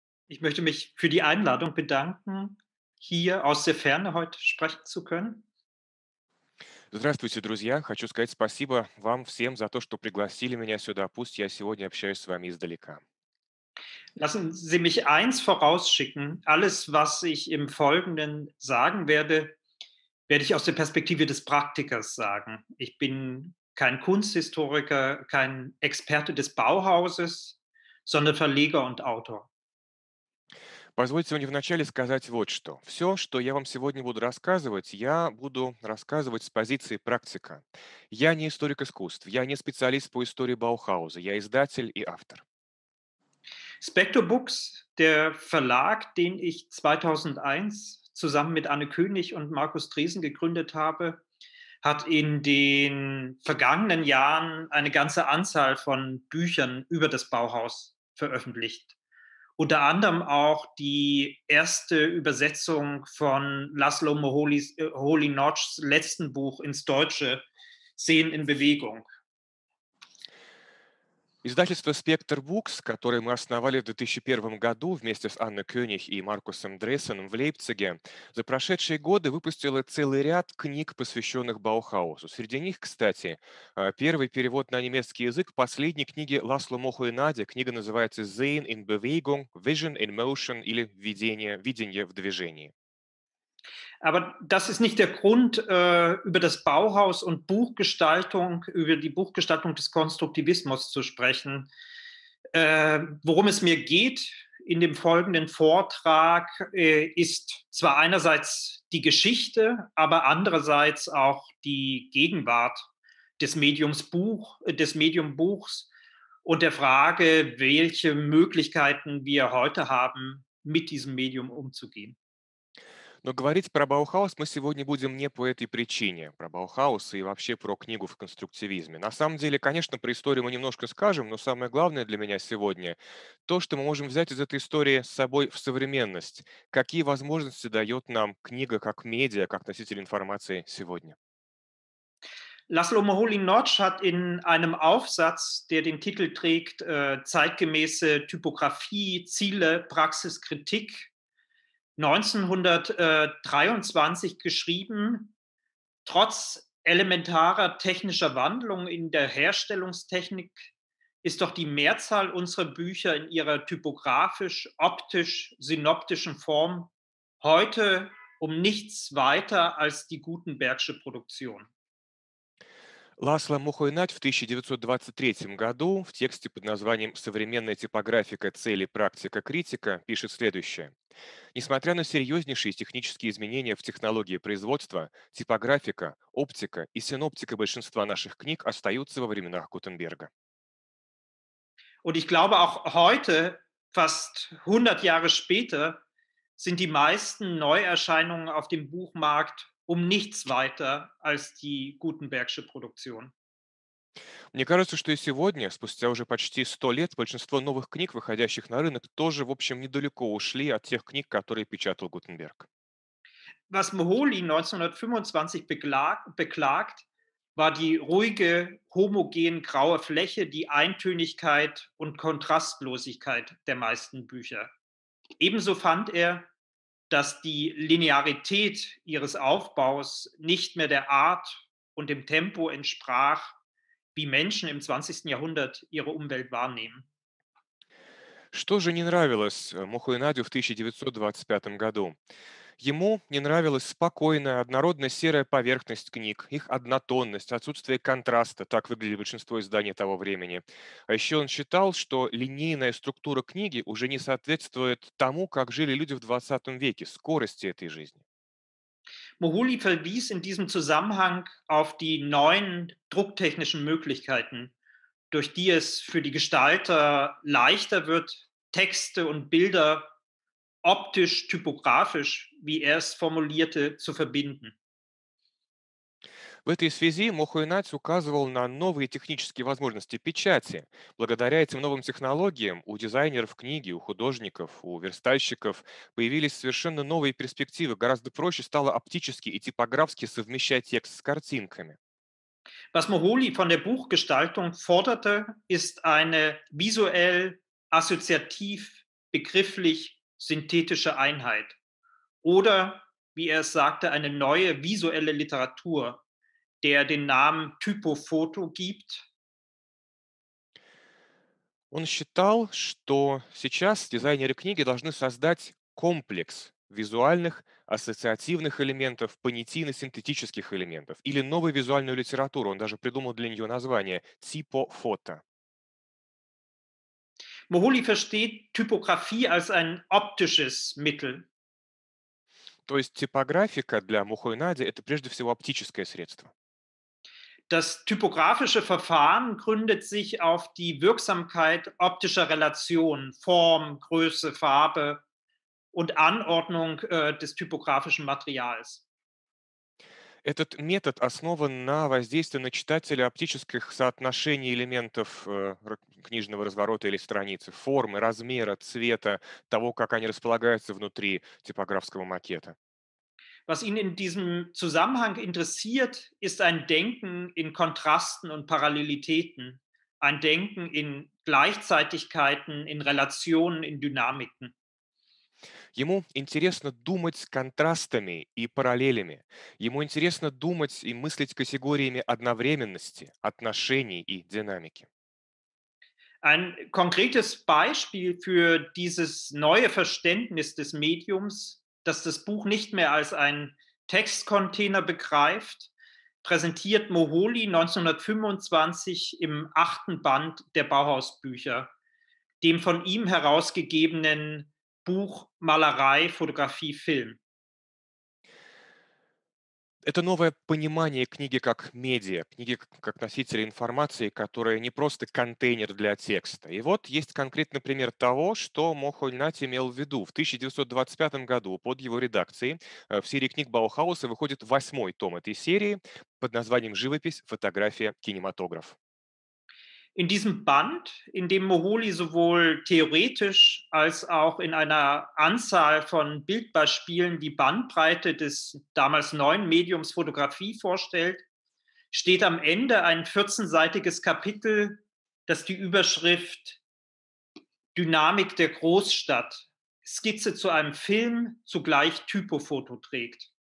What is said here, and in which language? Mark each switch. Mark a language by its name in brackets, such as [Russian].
[German] Ich möchte mich für die Einladung bedanken, hier aus der Ferne heute sprechen zu können. [Russian] Здравствуйте, друзья. Хочу сказать спасибо вам всем за то, что пригласили меня сюда. Пусть я сегодня общаюсь с вами издалека. [German] Lassen Sie mich eins vorausschicken. Alles, was ich im Folgenden sagen werde, werde ich aus der Perspektive des Praktikers sagen. Ich bin kein Kunsthistoriker, kein Experte des Bauhauses, sondern Verleger und Autor. [Russian] Позвольте мне вначале сказать вот что. Все, что я вам сегодня буду рассказывать, я буду рассказывать с позиции практика. Я не историк искусств, я не специалист по истории Баухауза, я издатель и автор. [German] Spectre Books, der Verlag, den ich 2001 zusammen mit Anne König und Markus Driesen gegründet habe, hat in den vergangenen Jahren eine ganze Anzahl von Büchern über das Bauhaus veröffentlicht. Unter anderem auch die erste Übersetzung von Laszlo Moholy-Nagys letzten Buch ins Deutsche, Sehen in Bewegung. [Russian] Издательство Spectre Books, которое мы основали в 2001 году вместе с Анной Кёниг и Маркусом Дрессеном в Лейпциге, за прошедшие годы выпустило целый ряд книг, посвященных Баухаусу. Среди них, кстати, первый перевод на немецкий язык последней книги Ласло Моху и Нади. Книга называется [German] «Sehen in Bewegung», [English] «Vision in Motion» [Russian] или «Видение, видение в движении». [German] Aber das ist nicht der Grund, über das Bauhaus und Buchgestaltung, über die Buchgestaltung des Konstruktivismus zu sprechen. Worum es mir geht in dem folgenden Vortrag, ist zwar einerseits die Geschichte, aber andererseits auch die Gegenwart des Mediums Buch, des Medium Buchs und der Frage, welche Möglichkeiten wir heute haben, mit diesem Medium umzugehen. [Russian] Но говорить про Баухаус мы сегодня будем не по этой причине, про Баухаус и вообще про книгу в конструктивизме. На самом деле, конечно, про историю мы немножко скажем, но самое главное для меня сегодня – то, что мы можем взять из этой истории с собой в современность. Какие возможности дает нам книга как медиа, как носитель информации сегодня? [German] Laszlo Moholy-Nagy hat in einem Aufsatz, der den Titel trägt «Zeitgemäße Typografie, Ziele, Praxis, Kritik», 1923 geschrieben, trotz elementarer technischer Wandlungen in der Herstellungstechnik ist doch die Mehrzahl unserer Bücher in ihrer typografisch-optisch-synoptischen Form heute um nichts weiter als die Gutenbergsche Produktion. [Russian] Ласло Мохуй-Нагь в 1923 году в тексте под названием «Современная типографика. Цели, практика, критика» пишет следующее. Несмотря на серьезнейшие технические изменения в технологии производства, типографика, оптика и синоптика большинства наших книг остаются во временах Гутенберга. [German] Und ich glaube auch heute, fast 100 Jahre später, sind die meisten Neuerscheinungen auf dem Buchmarkt um nichts weiter als die Gutenbergsche Produktion. [Russian] Мне кажется, что и сегодня, спустя уже почти 100 лет, большинство новых книг, выходящих на рынок, тоже, в общем, недалеко ушли от тех книг, которые печатал Гутенберг. [German] Was Moholy 1925 beklagt, war die ruhige, homogen graue Fläche, die Eintönigkeit und Kontrastlosigkeit der meisten Bücher. Ebenso fand er, dass die Linearität ihres Aufbaus nicht mehr der Art und dem Tempo entsprach, wie Menschen im 20. Jahrhundert ihre Umwelt wahrnehmen. [Russian] Что же не нравилось Мохуй-Нагю в 1925 году? Ему не нравилась спокойная, однородно-серая поверхность книг, их однотонность, отсутствие контраста, так выглядели большинство изданий того времени. А еще он считал, что линейная структура книги уже не соответствует тому, как жили люди в 20 веке, скорости этой жизни. [German] Moholy verwies in diesem Zusammenhang auf die neuen drucktechnischen Möglichkeiten, durch die es für die Gestalter leichter wird, Texte und Bilder optisch-typografisch, wie er es formulierte, zu verbinden. [Russian] В этой связи Мохуй-Нагь указывал на новые технические возможности печати. Благодаря этим новым технологиям у дизайнеров книги, у художников, у верстальщиков появились совершенно новые перспективы. Гораздо проще стало оптически и типографски совмещать текст с картинками. [German] Was Moholy von der Buchgestaltung forderte, ist eine visuell, assoziativ, begrifflich synthetische Einheit oder, wie er es sagte, eine neue visuelle Literatur, der den Namen Typofoto gibt. [Russian] Он считал, что сейчас дизайнеры книги должны создать комплекс визуальных, ассоциативных элементов, понятийно-синтетических элементов или новую визуальную литературу. Он даже придумал для нее название «Типофото». [German] Moholy versteht Typografie als ein optisches Mittel. [Russian] То есть типографика для Мухойнади – это прежде всего оптическое средство. [German] Das typografische Verfahren gründet sich auf die Wirksamkeit optischer Relationen, Form, Größe, Farbe und Anordnung des typografischen Materials. [Russian] Этот метод основан на воздействии на читателя оптических соотношений элементов книжного разворота или страницы, формы, размера, цвета, того, как они располагаются внутри типографского макета. [German] Was ihn in diesem Zusammenhang interessiert, ist ein Denken in Kontrasten und Parallelitäten, ein Denken in Gleichzeitigkeiten, in Relationen, in Dynamiken. [Russian] Ему интересно думать контрастами и параллелями. Ему интересно думать и мыслить категориями одновременности, отношений и динамики. [German] Ein konkretes Beispiel für dieses neue Verständnis des Mediums, das das Buch nicht mehr als einen Textcontainer begreift, präsentiert Moholy 1925 im 8. Band der Bauhausbücher, dem von ihm herausgegebenen Buch Malerei, Fotografie, Film. [Russian] Это новое понимание книги как медиа, книги как носителя информации, которая не просто контейнер для текста. И вот есть конкретный пример того, что Мохольнати имел в виду. В 1925 году под его редакцией в серии книг Баухауса выходит 8-й том этой серии под названием «Живопись, фотография, кинематограф». [German] In diesem Band, in dem Moholy sowohl theoretisch als auch in einer Anzahl von Bildbeispielen die Bandbreite des damals neuen Mediums Fotografie vorstellt, steht am Ende ein 14-seitiges Kapitel, das die Überschrift Dynamik der Großstadt, Skizze zu einem Film, zugleich Typofoto trägt.